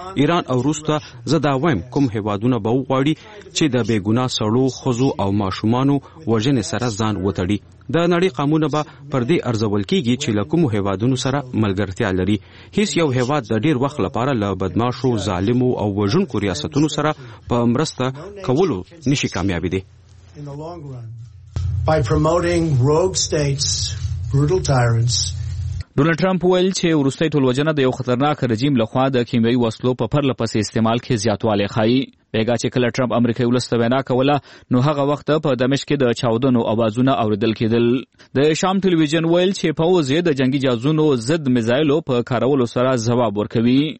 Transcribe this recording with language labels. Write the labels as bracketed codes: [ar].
[ps] ایران او روس ته زه دا وایم کوم هیوادونه به وغواړي چې د بېګنا سړو ښځو او ماشومانو وژنې سره ځان وتړي. د نړۍ قانونه به پر دې ارزول کیږي چې له کومو هیوادونو سره ملګرتیا لري. هیڅ یو هیواد د ډیر وخت لپاره له بدماشو ظالمو او وژونکو ریاستونو سره په مرسته کولو نشي کامیابېدی. [en] In the long run, by promoting rogue states, brutal tyrants, [ps] ډونلډ ټرمپ ویل چې وروستۍ ټولوجنه د یو خطرناک رژیم لخوا د کیمیاوي وسلو په پرله پسې استعمال کې زیاتوالی ښایي. بیګا چې کله ټرمپ امریکایي ولس ته وینا کوله نو هغه وخت په دمشق کې د چاودنو اوازونه اورېدل کېدل. د شام ټلویزیون ویل چې پوځ یې د جنگي جازونو ضد میزایلو په کارولو سره ځواب ورکوي.